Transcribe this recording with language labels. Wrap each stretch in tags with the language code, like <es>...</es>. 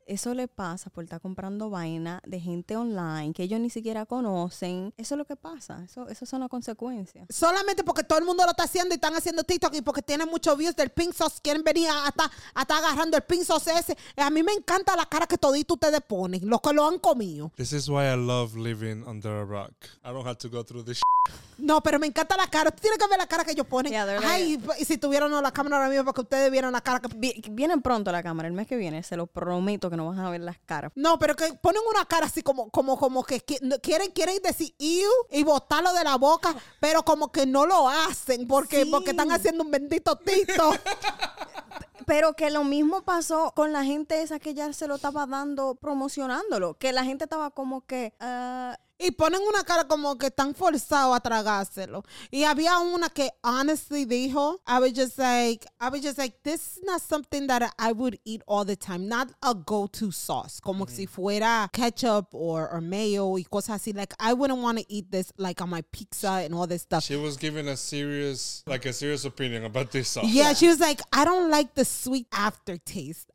<es>Eso le pasa por estar comprando vaina de gente online que ellos ni siquiera conocen. Eso es lo que pasa. Eso son las consecuencias. Solamente porque todo el mundo lo está haciendo y están haciendo TikTok y porque tienen muchos views del pink sauce. Quieren venir hasta agarrando el pink sauce ese. A mí me encanta la cara que todito ustedes ponen, los que lo han comido.</es> <en>This is why I love living under a rock. I don't have to go through this.</en> <es>No, pero me encanta la cara. Tú tienes que ver la cara que ellos ponen. Yeah, ay, y si tuvieron la cámara ahora mismo, porque ustedes vieron la cara. Vienen pronto la cámara, el mes que viene. Se lo prometo que no van a ver las caras. No, pero que ponen una cara así como que quieren decir ew y botarlo de la boca, pero como que no lo hacen porque están haciendo un bendito tito. Pero que lo mismo pasó con la gente esa que ya se lo estaba dando, promocionándolo. Que la gente estaba como que... Y ponen una cara como que están forzados a tragárselo. Y había una que honestly dijo,</es> <en>I was just like, this is not something that I would eat all the time. Not a go-to sauce.</en> <es>Como mm-hmm. si fuera ketchup or mayo y cosas así.</es> <en>Like, I wouldn't want to eat this like on my pizza and all this stuff. She was giving a serious opinion about this sauce. Yeah, she was like, I don't like the sweet aftertaste.</en>